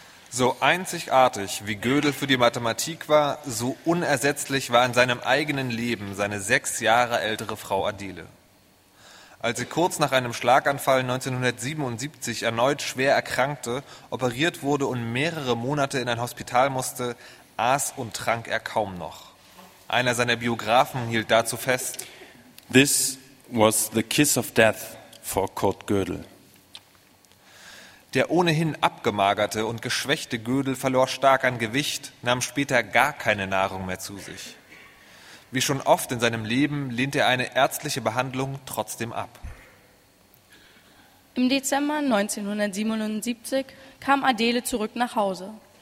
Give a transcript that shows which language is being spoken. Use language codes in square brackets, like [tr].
[de] So einzigartig wie Gödel für die Mathematik war, so unersetzlich war in seinem eigenen Leben seine 6 Jahre ältere Frau Adele. Als sie kurz nach einem Schlaganfall 1977 erneut schwer erkrankte, operiert wurde und mehrere Monate in ein Hospital musste, aß und trank er kaum noch. Einer seiner Biografen hielt dazu fest: [en] This was the kiss of death for Kurt Gödel. [de] Der ohnehin abgemagerte und geschwächte Gödel verlor stark an Gewicht, nahm später gar keine Nahrung mehr zu sich. Wie schon oft in seinem Leben lehnte er eine ärztliche Behandlung trotzdem ab. Im Dezember 1977 kam Adele zurück nach Hause.